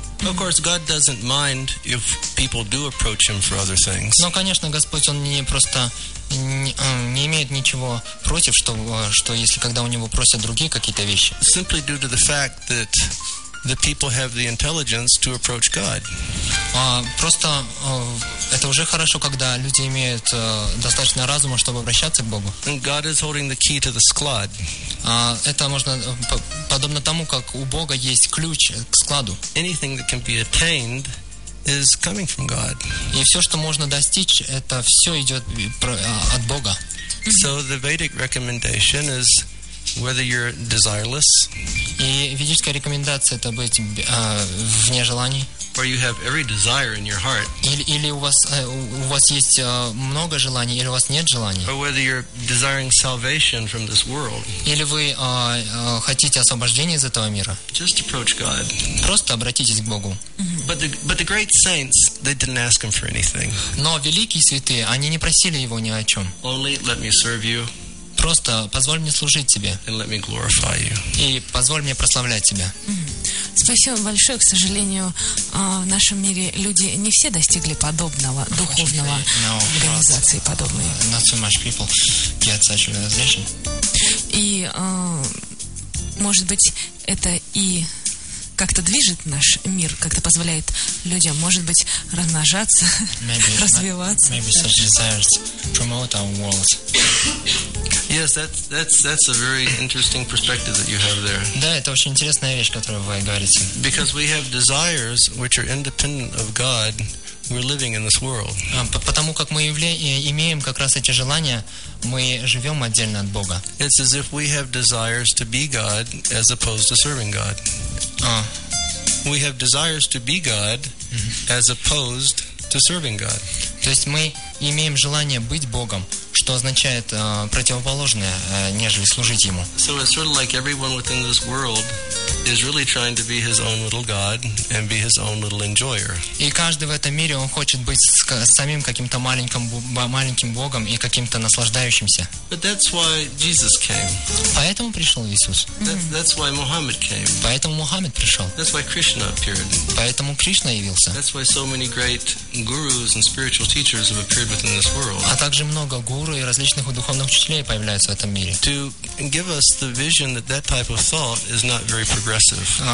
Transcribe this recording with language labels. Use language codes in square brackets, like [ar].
[en] Of course, God doesn't mind if people do approach Him for other things. [ru] Но конечно, Господь Он не просто не имеет ничего против, что если когда у него просят другие какие-то вещи. [en] Simply due to the fact that the people have the intelligence to approach God. [ru] Просто это уже хорошо, когда люди имеют достаточно разума, чтобы обращаться к Богу. [en] And God is holding the key to the [ru] склад. Это можно подобно тому, как у Бога есть ключ к складу. [en] Anything that can be attained is coming from God. [ru] И все, что можно достичь, это все идет от Бога. [en] So the Vedic recommendation is whether you're desireless. [ru] И ведическая рекомендация — это быть вне желаний. [en] Or you have every desire in your heart. [ru] Или у вас есть много желаний, или у вас нет желаний. [en] Or whether you're desiring salvation from this world. [ru] Или вы хотите освобождения из этого мира. [en] Just approach God. [ru] Просто обратитесь к Богу. [en] But the great saints, they didn't ask Him for anything. [ru] Но великие святые, они не просили Его ни о чем. [en] Only let me serve you. Просто позволь мне служить тебе. And let me glorify you. И позволь мне прославлять тебя. [ru] Спасибо большое. К сожалению, в нашем мире люди не все достигли подобного духовного организации подобной. [en] Not too much people get such realization. [ru] И, может быть, это и как-то движет наш мир, как-то позволяет людям, может быть, размножаться, [en] maybe, [ru] развиваться. [en] Maybe such desires promote our world. Yes, that's a very interesting perspective that you have there. [ru] Да, это очень интересная вещь, которую вы говорите. [en] Because we have desires which are independent of God, we're living in this world. [ru] Потому как мы имеем как раз эти желания, мы живем отдельно от Бога. [en] It's as if we have desires to be God as opposed to serving God. We have desires to be God as opposed to serving God. [ru] То есть мы имеем желание быть Богом, что означает противоположное, нежели служить ему. [en] So it's sort of like everyone within this world is really trying to be his own little god and be his own little enjoyer. [ru] И каждый в этом мире он хочет быть самим каким-то маленьким богом и каким-то наслаждающимся. [en] But that's why Jesus came. [ru] Поэтому пришел Иисус. [en] That's why Muhammad came. [ru] Поэтому Мухаммед пришел. [en] That's why Krishna appeared. [ru] Поэтому Кришна явился. [en] That's why so many great gurus and spiritual teachers have appeared within this world. [ru] А также много гуру и различных духовных учителей появляются в этом мире. [en] To give us the vision that that type of thought is not very progressive.